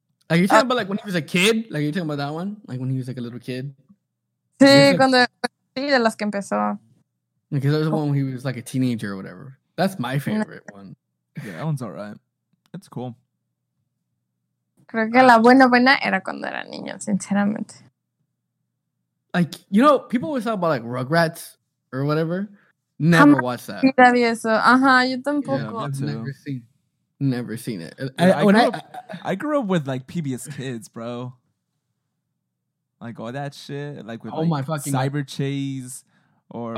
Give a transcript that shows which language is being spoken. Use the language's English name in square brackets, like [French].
[English] Are you talking about like when he was a kid? Like, are you talking about that one? Like when he was like a little kid? [Spanish] Sí, cuando sí, de las que empezó. [English] Because that was the one when he was like a teenager or whatever. That's my favorite one. Yeah, that one's alright. That's cool. [Spanish] Creo que la buena buena era cuando era niño, sinceramente. [English] Like, you know, people always talk about like Rugrats. Or whatever. Never watched that. [Spanish] Uh-huh, yeah, yo tampoco. [English] Never seen it. I grew up with like PBS Kids, bro. Like all that shit. Like with Cyber Chase. Or